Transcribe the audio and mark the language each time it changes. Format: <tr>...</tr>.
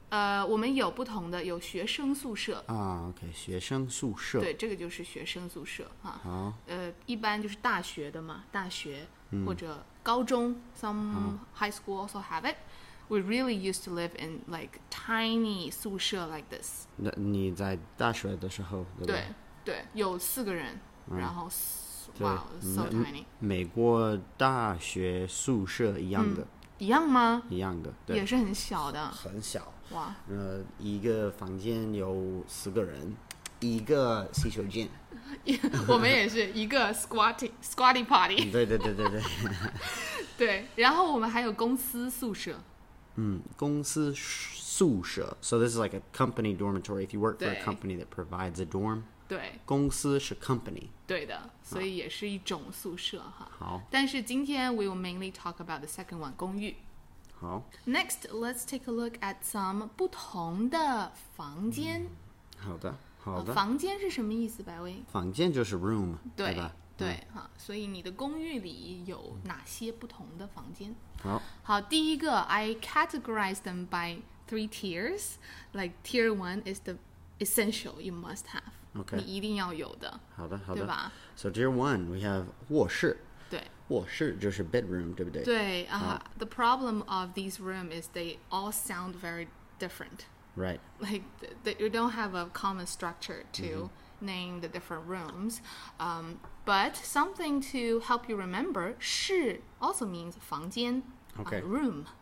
<zh>我们有不同的, 有学生宿舍。 Okay, 学生宿舍。对,这个就是学生宿舍。一般就是大学的嘛, 大学。或者高中,</zh> <en>some high school also have it. We really used to live in like tiny 宿舍 like this.</en> <zh>你在大学的时候, 对吧? 对,有四个人, 然后</zh> <en>Wow, so tiny.</en> <zh>美国大学宿舍一样的。一样吗? 一样的, 对。也是很小的。很小。</zh> <en>Wow.</en> <zh>一个房间有四个人, 一个洗手间。我们也是, 一个 squatty potty. 对对对对对。对, 然后我们还有公司宿舍。公司宿舍,</zh> <en>so this is like a company dormitory. If you work for a company that provides a dorm,</en> <zh>公司是</zh> <en>company.</en> <zh>对的, 所以也是一种宿舍, 好。但是今天</zh> <en>we will mainly talk about the second one, 公寓。</en> <zh>好。</zh> <en>Next, let's take a look at some</en> <zh>不同的房间。好的, 好的。房间是什么意思, 白薇? 房间就是 room, 对, 对吧? 对, 所以你的公寓里有哪些不同的房间? 好。第一个,</zh> <en>I categorize them by three tiers. Like tier one is the essential you must have. Okay.</en> <zh>你一定要有的。好的，好的。对吧?</zh> <en>So tier one, we have 卧室。</en> <zh>卧室就是</zh> <en>bedroom,</en> <zh>对不对?</zh> <en>对, the problem of these rooms is they all sound very different. Right. Like, you don't have a common structure to name the different rooms. But something to help you remember, 室 also means 房间, room.</en>